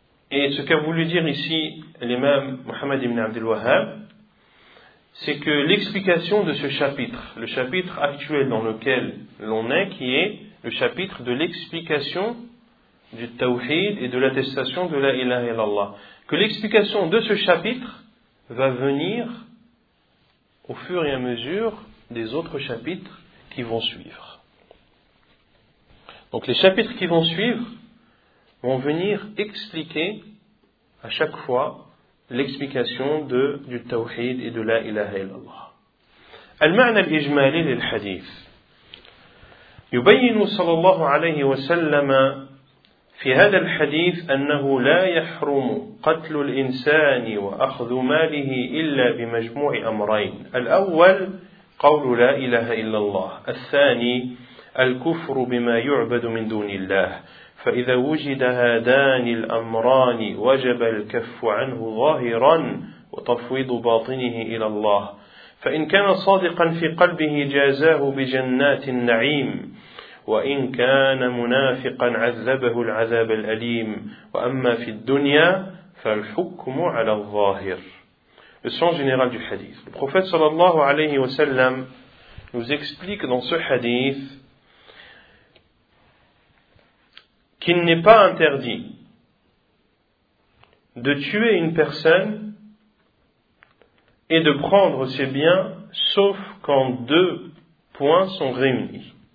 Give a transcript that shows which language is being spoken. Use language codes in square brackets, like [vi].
[fr] Et ce qu'a voulu dire ici l'imam Mohamed ibn Abdel Wahhab, c'est que l'explication de ce chapitre, le chapitre actuel dans lequel l'on est, qui est le chapitre de l'explication du tawhid et de l'attestation de la ilaha illallah, que l'explication de ce chapitre va venir au fur et à mesure des autres chapitres qui vont suivre. Donc les chapitres qui vont suivre vont venir expliquer à chaque fois l'explication du tawhid et de la ilaha illallah. [ar] Al-ma'na al-ijmali lil-hadith. يبين صلى الله عليه وسلم في هذا الحديث أنه لا يحرم قتل الإنسان وأخذ ماله إلا بمجموع أمرين، الأول قول لا إله إلا الله، الثاني الكفر بما يعبد من دون الله، فإذا وجد هذان الأمران وجب الكف عنه ظاهرا وتفويض باطنه إلى الله، فإن كان صادقا في قلبه جازاه بجنات النعيم، وإن كان منافقا عذبه العذاب الأليم، وأما في الدنيا فالحكم على الظاهر. [fr] Le sens général du hadith. Le prophète sallallahu alayhi wa sallam nous explique dans ce hadith qu'il n'est pas interdit de tuer une personne et de prendre ses biens, sauf quand deux points sont réunis.